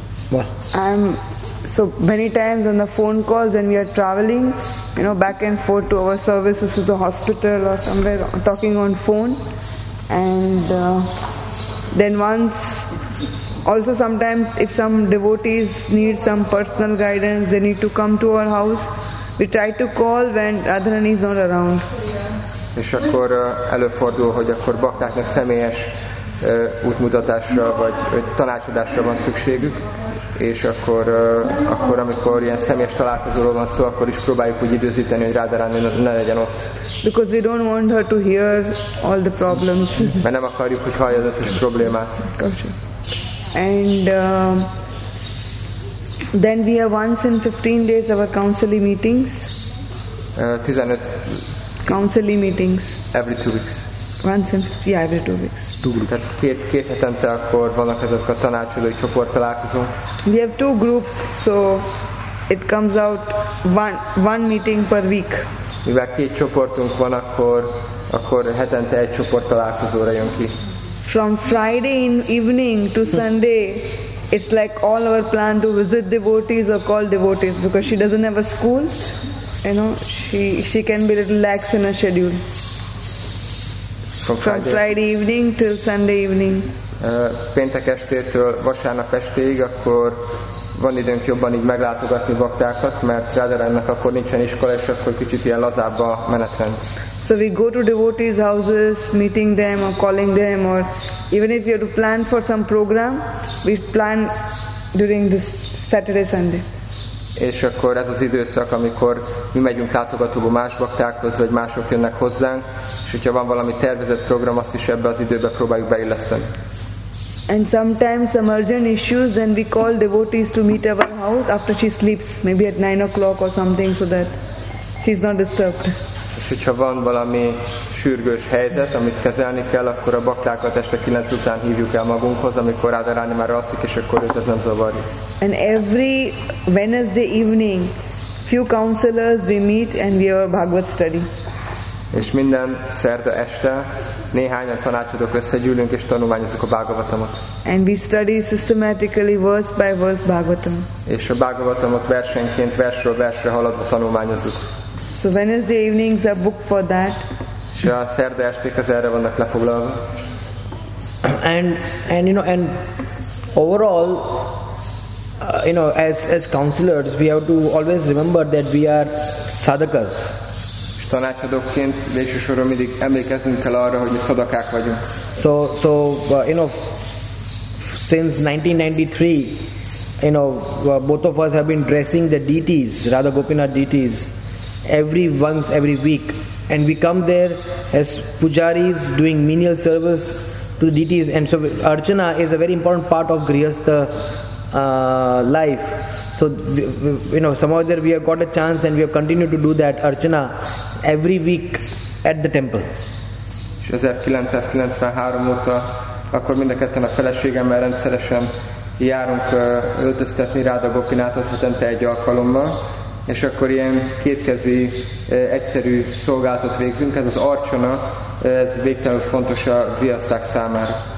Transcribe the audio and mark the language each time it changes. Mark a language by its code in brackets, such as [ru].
[en] So many times on the phone calls when we are traveling, you know, back and forth to our services, to the hospital or somewhere, talking on phone. And then once, also sometimes if some devotees need some personal guidance, they need to come to our house, we try to call when Radharani is not around. [hu] És akkor előfordul, hogy akkor baktáknak személyes útmutatásra vagy tanácsadásra van szükségük, és akkor, akkor amikor ilyen személyes találkozóról van szó, akkor is próbáljuk úgy időzíteni, hogy Radharani ne legyen ott. [en] Because we don't want her to hear all the problems. [hu] Mert nem akarjuk, hogy hallja az összes problémát. [en] And then we have once in 15 days our counseling meetings. 15 counseling meetings. Every 2 weeks. Once in yeah, every 2 weeks. [hu] Tehát két hetente akkor vannak ezek a tanácsadói csoport találkozók. [en] We have two groups, so it comes out one meeting per week. [hu] Mivel két csoportunk van, akkor hetente egy csoport találkozóra jön ki. [en] From Friday in evening to Sunday, it's like all our plan to visit devotees or call devotees because she doesn't have a school, you know, she can be a little lax in her schedule. From Friday evening till Sunday evening. [hu] Péntek estétől vasárnap estéig, akkor van időnk jobban így meglátogatni baktákat, mert Radharaninak akkor nincsen iskola, és akkor kicsit ilyen lazább a menetrend. [en] So we go to devotees' houses, meeting them or calling them, or even if you have to plan for some program, we plan during this Saturday, Sunday. [hu] És akkor ez az időszak, amikor mi megyünk látogatóba más baktákhoz, vagy mások jönnek hozzánk, és hogyha van valami tervezett program, azt is ebbe az időbe próbáljuk beilleszteni. [en] And sometimes some urgent issues, then we call devotees to meet our house after she sleeps, maybe at 9 o'clock or something, so that she's not disturbed. [hu] És hogyha van valami sürgős helyzet, amit kezelni kell, akkor a baktákat este 9 után hívjuk el magunkhoz, amikor Radharani már alszik, és akkor őt ez nem zavarja. [en] And every Wednesday evening, few counselors we meet and we have a Bhagavad study. [hu] És minden szerda este néhányan tanácsadók összegyűlünk és tanulmányozunk a Bhagavatamot. [en] And we study systematically verse by verse Bhagavatam. [hu] És a Bhagavatamot versenyként versről versre haladva tanulmányozunk. [en] So Wednesday evenings are booked for that. [hu] Ja, szerda estek az erre vannak lefoglalva. [en] And you know, and overall, you know, as counselors, we have to always remember that we are sadhakas. [hu] Tanácsadóként végsősorban mindig emlékeznünk kell arra, hogy mi szadakák vagyunk. [en] So you know, since 1993, you know, both of us have been dressing the deities, Radha Gopinath deities. Every week, and we come there as pujaris doing menial service to the deities, and so archana is a very important part of grihastha life. So you know, somehow there we have got a chance and we have continued to do that archana every week at the temple. [hu] 1993 óta akkor mind a ketten a feleségemmel rendszeresen járunk öltöztetni Radha Gopinathot hetente egy alkalommal. És akkor ilyen kétkezi egyszerű szolgálatot végzünk, ez az archana, ez végtelenül fontos a grihaszták számára.